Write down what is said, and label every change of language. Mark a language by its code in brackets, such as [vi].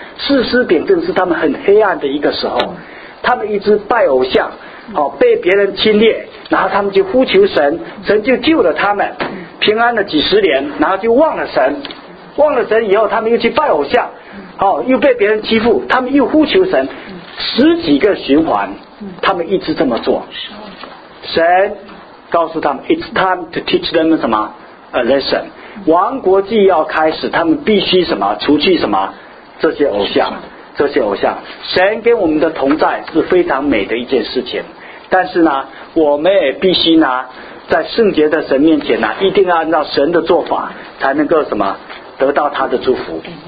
[zh] 士师秉政是他们很黑暗的一个时候，他们一直拜偶像，哦，被别人侵略，然后他们就呼求神，神就救了他们，平安了几十年，然后就忘了神，忘了神以后他们又去拜偶像，哦，又被别人欺负，他们又呼求神，十几个循环，他们一直这么做。神告诉他们 [en] It's time to teach them 什么 a lesson。 [zh] 王国纪要开始，他们必须什么？除去什么？这些偶像，这些偶像。神跟我们的同在是非常美的一件事情，但是呢，我们也必须呢，在圣洁的神面前呢，一定要按照神的做法才能够什么得到他的祝福。